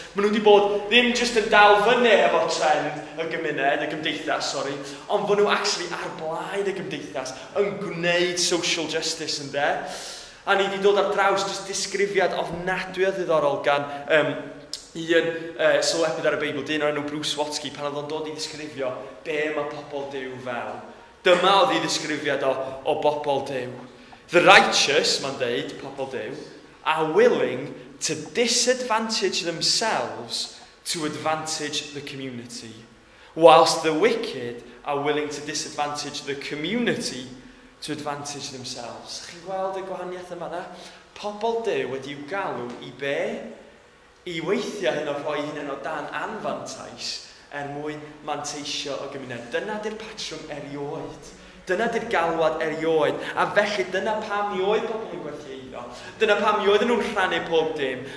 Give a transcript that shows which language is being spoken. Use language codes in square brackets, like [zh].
[cy] Maen nhw wedi bod ddim jyst yn dal fyny efo trend y gymuned, y gymdeithas, sori, ond bod nhw actually ar blaen y gymdeithas yn gwneud social justice ynddo. A ni wedi dod ar draws jyst disgrifiad ofnadwy o ddiddorol gan un sylwebyd ar y Beibl, dyn o'r enw Bruce Watsky, pan oedd o'n dod i ddisgrifio be mae pobl Dduw fel. Dyma oedd i ddisgrifiad o bobl Dduw. [en] The righteous, [cy] mae'n deud, pobl Dduw, [en] are willing to disadvantage themselves to advantage the community, whilst the wicked are willing to disadvantage the community to advantage themselves. [cy] Ych chi'n gweld y gwahaniaeth yma na? Pobl Dduw wedi i'w galw i be? I weithiau hyn o rhoi hyn yn o dan anfantais er mwyn manteisio o gymuned. Dyna di'r patrwm erioed. Dyna di'r galwad erioed. A felly dyna pam i oedd pobl yn gwerthu eiddo. Dyna pam i oedd nhw'n rhannu pob dim.